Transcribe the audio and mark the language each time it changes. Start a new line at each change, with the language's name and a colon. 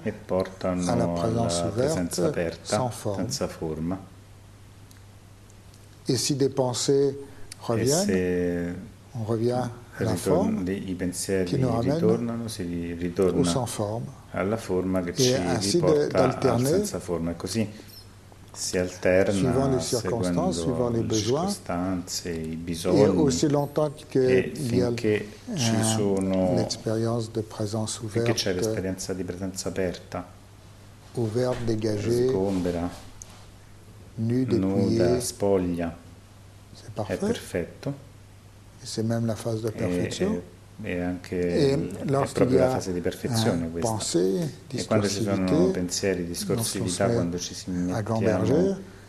Italian: e portano alla presenza aperta, senza forma.
French: Et si des pensées reviennent, on revient à la forme,
Italian: i pensieri ritornano, si ritorna
French: sans forme.
Italian: Alla forma che ci riporta al senza forma. Così si alterna
French: suivant les circonstances,
Italian: seguendo
French: les besoins,
Italian: le circostanze, i bisogni,
French: et aussi longtemps que
Italian: finché ci sono
French: l'expérience de présence ouverte,
Italian: finché c'è l'esperienza di presenza aperta,
French: ouverte, dégagée,
Italian: sgombera. Nuda, spoglia,
French: c'est
Italian: è perfetto.
French: C'est même la phase de perfection.
Italian: È proprio la fase di perfezione questa.
French: Pensée,
Italian: e quando ci sono pensieri, discorsività, quando ci si mette a berger,